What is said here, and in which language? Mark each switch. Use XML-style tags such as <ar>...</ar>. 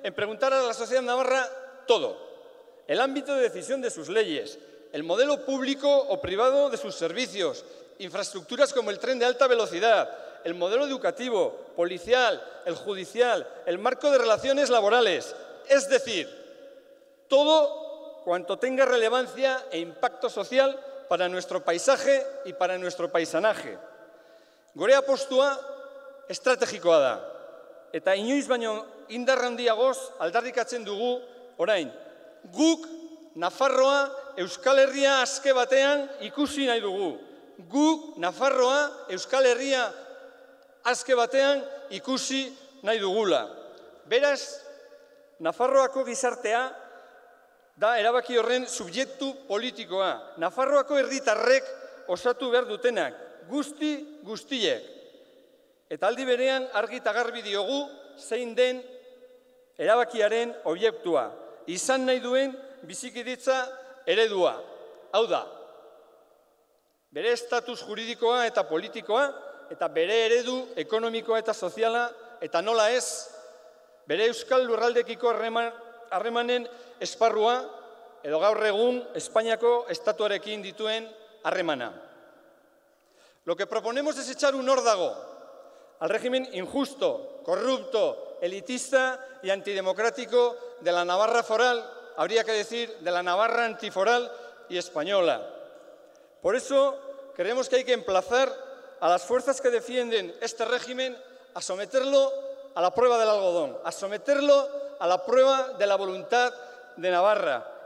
<es>en preguntar a la sociedad navarra todo. El ámbito de decisión de sus leyes, el modelo público o privado de sus servicios, infraestructuras como el tren de alta velocidad, el modelo educativo, policial, el judicial, el marco de relaciones laborales. Es decir, todo cuanto tenga relevancia e impacto social para nuestro paisaje y para nuestro paisanaje.</es> <eu>Gure apostua estrategikoa da. Eta inoiz baino indarra handiagoz aldarrikatzen dugu orain. Guk Nafarroa Euskal Herria aske batean ikusi nahi dugu. Guk Nafarroa Euskal Herria aske batean ikusi nahi dugula. Beraz, Nafarroako gizartea da erabaki horren subjektu politikoa. Nafarroako herritarrek osatu behar dutenak, guzti guztiek. Eta aldi berean argi eta garbi diogu zein den erabakiaren objektua. Izan nahi duen bizikiditza eredua. Hau da, bere estatus juridikoa eta politikoa, eta bere eredu ekonomikoa eta soziala, eta nola ez, bere euskal lurraldekiko harremanen esparrua, edo gaur egun Espainiako estatuarekin dituen harremana.</eu> <es>Lo que proponemos es echar un órdago al régimen injusto, corrupto, elitista y antidemocrático de la Navarra foral, habría que decir, de la Navarra antiforal y española. Por eso, creemos que hay que emplazar a las fuerzas que defienden este régimen a someterlo a la prueba del algodón, a someterlo a la prueba de la voluntad de Navarra.</es>